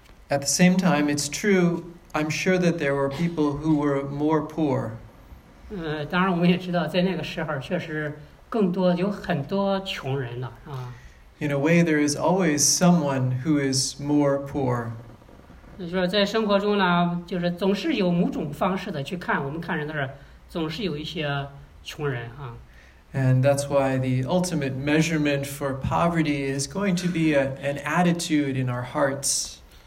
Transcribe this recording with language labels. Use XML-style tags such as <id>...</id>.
<en>At the same time, it's true, I'm sure that there were people who were more poor. In a way, there is always someone who is more poor.</en> <zh>就是在生活中呢，就是总是有某种方式的去看我们看人的事儿，总是有一些穷人啊。</zh> <en>And that's why the ultimate measurement for poverty is going to be an attitude in our hearts.</en>